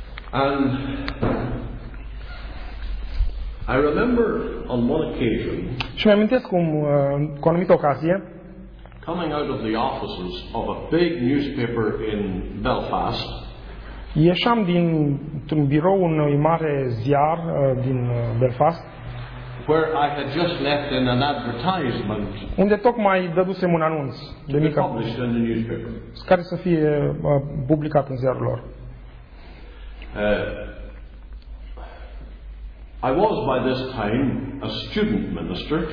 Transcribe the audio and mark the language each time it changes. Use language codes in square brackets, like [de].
[en] And I remember on one occasion. [ro] Și mi-amintesc cum cu o anumită ocazie. [en] Coming out of the offices of a big newspaper in Belfast. [ro] Ieșam dintr-un birou unui mare ziar din Belfast. [en] Where I had just left in an advertisement. [ro] Unde tocmai dădusem un anunț de mică. [en] Published in the newspaper. [ro] Care să fie publicat în ziarul lor. [en] I was by this time a student minister.